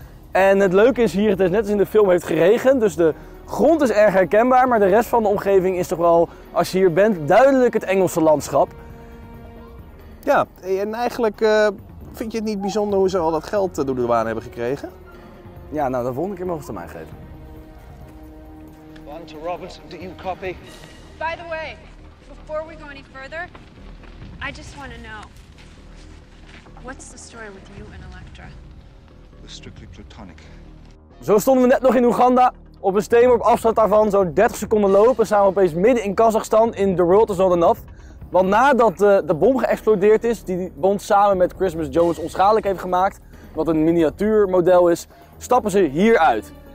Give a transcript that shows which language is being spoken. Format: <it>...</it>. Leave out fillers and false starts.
<nl>En het leuke is hier, het is net als in de film, heeft geregend. Dus de grond is erg herkenbaar, maar de rest van de omgeving is toch wel, als je hier bent, duidelijk het Engelse landschap. Ja, en eigenlijk vind je het niet bijzonder hoe ze al dat geld door de douane hebben gekregen? Ja, nou, de volgende keer mogen ze het aan mij geven.</nl> <en>One to Robert, do you copy? By the way, Before we go any further, I just want to know, what's the story with you and Elektra? We're strictly platonic.</en> <nl>Zo stonden we net nog in Oeganda. Op een steen op afstand daarvan zo'n 30 seconden lopen, zijn we opeens midden in Kazachstan in The World Is Not Enough. Want nadat de bom geëxplodeerd is, die Bond samen met Christmas Jones onschadelijk heeft gemaakt, wat een miniatuurmodel is, stappen ze hieruit.</nl>